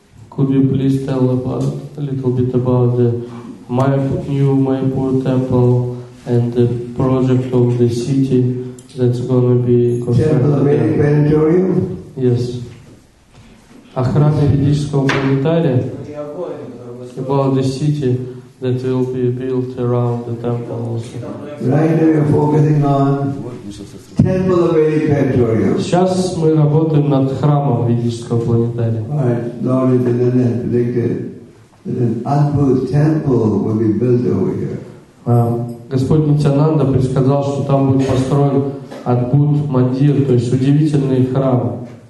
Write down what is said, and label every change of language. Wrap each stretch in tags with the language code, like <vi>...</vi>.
<en>Could you please tell about a little bit about the Mayapur temple and the project of the city that's going to be constructed? Temple of Vedic Planetarium? Yes.</en> <ru>Охрана ведического планетария?</ru> <en>About the city that will be built around the temple also. Right now you're focusing on Temple of Vedic Planetarium.</en> <ru>Сейчас мы работаем над храмом ведического планетария.</ru> <en>All right. Lord, then predicted that an Adbhut temple will be built over here.</en> <ru>Господь Нитянанда предсказал, что там будет построен Адбхут Мандир, то есть удивительный храм.</ru>